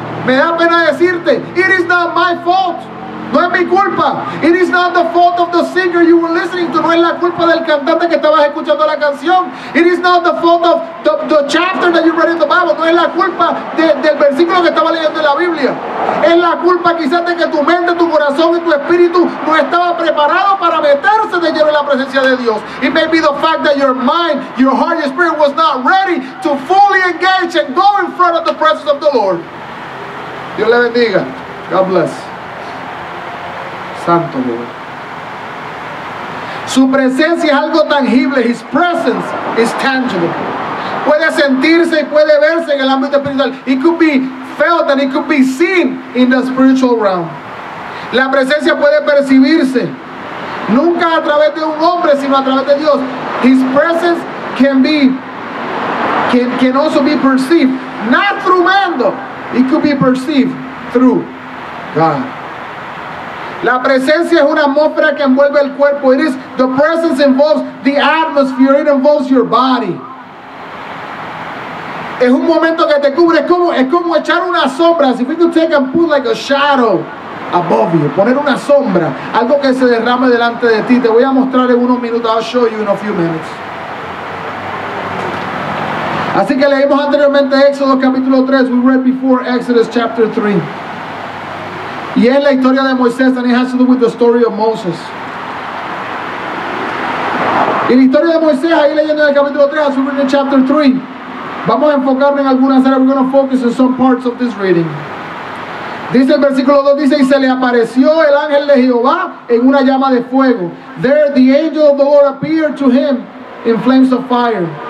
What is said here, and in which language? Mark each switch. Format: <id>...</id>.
<es>Me da pena decirte,</es> <en>it is not my fault.</en> <es>No es mi culpa.</es> <en>It is not the fault of the singer you were listening to.</en> <es>No es la culpa del cantante que estabas escuchando la canción.</es> <en>It is not the fault of the chapter that you read in the Bible.</en> <es>No es la culpa del versículo que estaba leyendo en la Biblia. Es la culpa quizás de que tu mente, tu corazón y tu espíritu no estaba preparado para meterse de lleno en la presencia de Dios.</es> <en>It may be the fact that your mind, your heart, your spirit was not ready to fully engage and go in front of the presence of the Lord.</en> <es>Dios le bendiga.</es> <en>God bless.</en> <es>Santo Dios. Su presencia es algo tangible.</es> <en>His presence is tangible.</en> <es>Puede sentirse y puede verse en el ámbito espiritual.</es> <en>It could be felt and it could be seen in the spiritual realm.</en> <es>La presencia puede percibirse. Nunca a través de un hombre, sino a través de Dios.</es> <en>His presence can also be perceived. Not through man though. It could be perceived through God.</en> <es>La presencia es una atmósfera que envuelve el cuerpo.</es> <en>It is the presence involves the atmosphere. It involves your body.</en> <es>Es un momento que te cubre. Es como echar una sombra.</es> <en>If we could take and put like a shadow above you.</en> <es>Poner una sombra. Algo que se derrame delante de ti. Te voy a mostrar en unos minutos.</es> <en>I'll show you in a few minutes.</en> <es>Así que leímos anteriormente Éxodo capítulo 3.</es> <en>We read before Exodus chapter 3.</en> <es>Y es la historia de Moisés,</es> <en>and it has to do with the story of Moses.</en> <es>Y la historia de Moisés, ahí leyendo en el capítulo 3,</es> <en>as we read in chapter 3.</en> <es>Vamos a enfocarnos en algunas áreas,</es> <en>we're going to focus on some parts of this reading.</en> <es>Dice el versículo 2, dice, y se le apareció el ángel de Jehová en una llama de fuego.</es> <en>There the angel of the Lord appeared to him in flames of fire.</en>